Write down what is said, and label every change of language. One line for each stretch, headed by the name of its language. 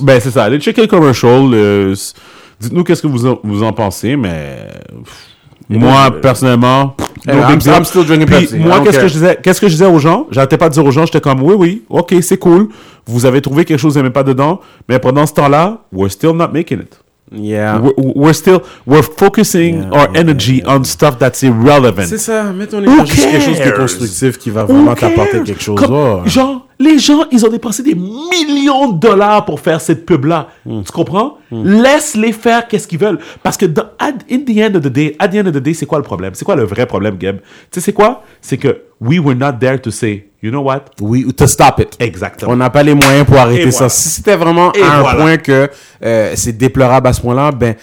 French: Ben, c'est ça. Allez checker le commercial. Dites-nous qu'est-ce que vous en pensez, mais. Moi, personnellement,
English: I'm still drinking Pepsi.
French: Moi, qu'est-ce que je disais aux gens? J'arrêtais pas de dire aux gens, j'étais comme, oui, ok, c'est cool. Vous avez trouvé quelque chose, vous n'aimez pas dedans. Mais pendant ce temps-là,
English: we're still not making it. Yeah. We're focusing our energy on stuff that's irrelevant.
French: C'est ça, mettons les gens juste quelque chose de constructif qui va vraiment t'apporter quelque chose. Comme, genre, les gens, ils ont dépensé des millions de dollars pour faire cette pub-là. Tu comprends? Laisse-les faire qu'est-ce qu'ils veulent. Parce que,
English: at the end of the day,
French: c'est quoi le problème? C'est quoi le vrai problème, Gab? Tu sais, c'est quoi? C'est que
English: we were not there to say, you know what?
French: Oui,
English: to stop it.
French: Exactement. On n'a pas les moyens pour arrêter ça. Si c'était vraiment à un point que c'est déplorable à ce point-là, ben,